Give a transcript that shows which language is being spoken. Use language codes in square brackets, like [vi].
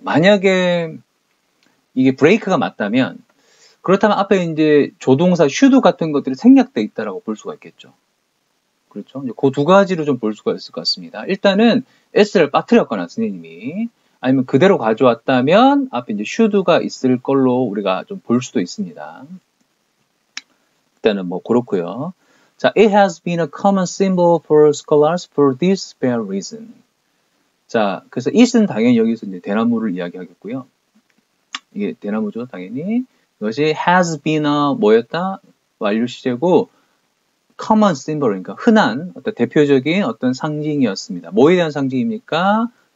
[ko] 만약에 이게 break가 맞다면 그렇다면 앞에 이제 조동사 should 같은 것들이 생략돼 있다라고 볼 수가 있겠죠. 그렇죠? 이제 그두 가지로 좀볼 수가 있을 것 같습니다. 일단은 s를 빠뜨렸거나 선생님이 아니면 그대로 가져왔다면 앞에 이제 should가 있을 걸로 우리가 좀볼 수도 있습니다. 때는 뭐 그렇고요. [en] 자, it has been a common symbol for scholars for this very reason. [ko] 자, 그래서 it은 당연히 여기서 이제 대나무를 이야기하겠고요. 이게 대나무죠, 당연히. 이것이 [en] has been a [ko] 뭐였다? 완료시제고 [en] common symbol [ko] 그러니까 흔한 어떤 대표적인 어떤 상징이었습니다. 뭐에 대한 상징입니까?